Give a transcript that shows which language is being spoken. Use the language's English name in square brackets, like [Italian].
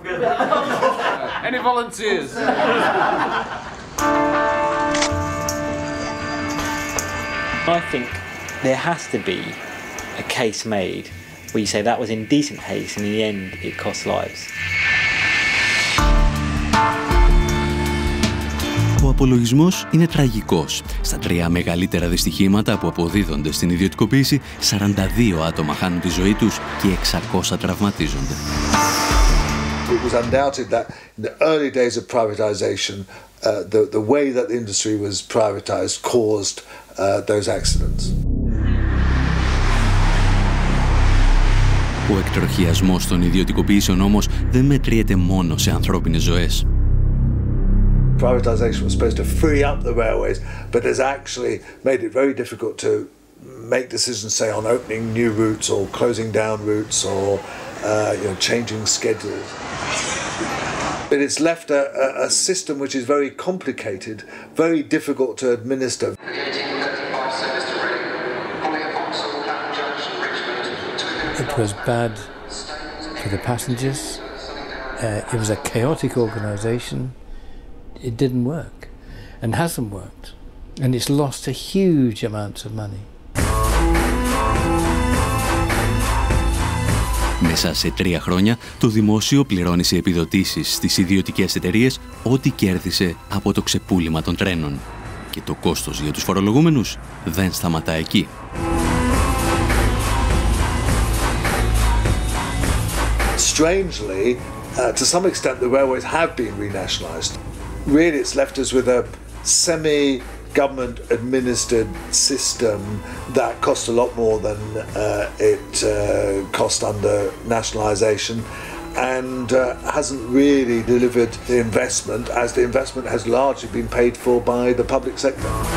[English] Any volunteers? I think there has to be a case made where you say that was indecent haste and in the end it cost lives. [Greek] Ο απολογισμός είναι τραγικός. Στα τρία μεγαλύτερα δυστυχήματα που αποδίδονται στην ιδιωτικοποίηση, 42 άτομα χάνουν τη ζωή τους και 600 τραυματίζονται. [English] It was undoubted that in the early days of privatization, the way that the industry was privatized caused those accidents. [Greek] Ο εκτροχιασμός των ιδιωτικοποιήσεων όμως δεν μετριέται μόνο σε ανθρώπινες ζωές. [English] Privatization was supposed to free up the railways, but has actually made it very difficult to make decisions, say, on opening new routes or closing down routes or changing schedules. But it's left a system which is very complicated, very difficult to administer. It was bad for the passengers. It was a chaotic organization. It didn't work and hasn't worked. And it's lost a huge amount of money. [Greek] Μέσα σε τρία χρόνια, το δημόσιο πληρώνει σε επιδοτήσεις στις ιδιωτικές εταιρείες ό,τι κέρδισε από το ξεπούλημα των τρένων. Και το κόστος για τους φορολογούμενους δεν σταματά εκεί. [English] Strangely, to some extent, the railways have been renationalized. Really, it's left us with a semi-government-administered system that costs a lot more than cost under nationalization, and hasn't really delivered the investment, as the investment has largely been paid for by the public sector.